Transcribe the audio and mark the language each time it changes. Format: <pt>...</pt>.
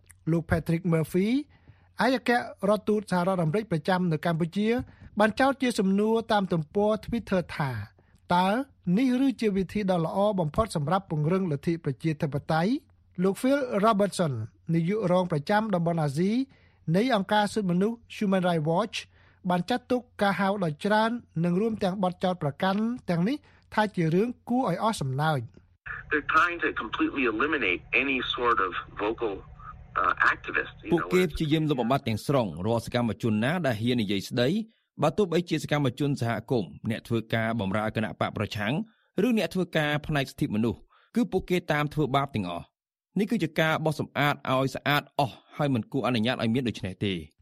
<km>លោក Patrick Murphy អាយកៈរដ្ឋទូតសហរដ្ឋអាមេរិកប្រចាំនៅកម្ពុជាបានចោទជាសំណួរតាមទំព័រ Twitter ថាតើនេះឬជាវិធីដ៏ល្អបំផុតសម្រាប់ពង្រឹងលទ្ធិប្រជាធិបតេយ្យលោក Phil Robertson នាយករងប្រចាំតំបន់អាស៊ីនៃអង្គការសិទ្ធិមនុស្ស Human Rights Watch បានចាត់ទុកការហៅដ៏ច្រើននិងរួមទាំងបទចោទប្រកាន់ទាំងនេះថាជារឿងគួរឲ្យអស់សំណើច</km> <en>They're trying to completely eliminate any sort of vocal activist</en> <km>ពួកគេព្យាយាមលុបបំបាត់ទាំងស្រុងរាល់សកម្មជនណាដែលហ៊ាននិយាយស្ដីបាទទោះបីជាសកម្មជនសហគមន៍អ្នកធ្វើការបម្រើគណៈបកប្រឆាំងឬអ្នកធ្វើការផ្នែកសិទ្ធិមនុស្សគឺពួកគេតាមធ្វើបាបទាំងអស់នេះគឺជាការបោះសម្អាតឲ្យស្អាតអស់ហើយមិនគួរអនុញ្ញាតឲ្យមានដូច្នេះទេ</km>